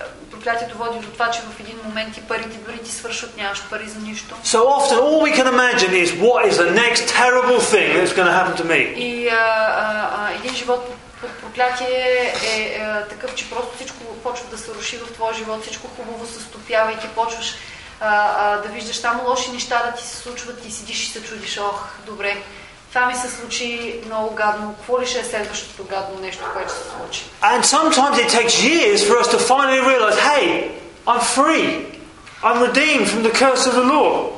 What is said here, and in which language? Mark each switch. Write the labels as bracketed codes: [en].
[bg] Проклятието води до това, че в един момент и парите дори ти свършват, нямаш пари за нищо. [en] So often all we can imagine is what is the next terrible thing that's going to happen to me. [bg] И един живот под проклятие е такъв, че просто всичко почва да се руши в твоя живот, всичко хубаво се стопява и ти почваш да виждаш само лоши неща да ти се случват и седиш и се чудиш, ох, добре, това ми се случи много гадно. Какво ли ще е следващото гадно нещо, което се случи? [en] And sometimes it takes years for us to finally realize, hey, I'm free. I'm redeemed from the curse of the law.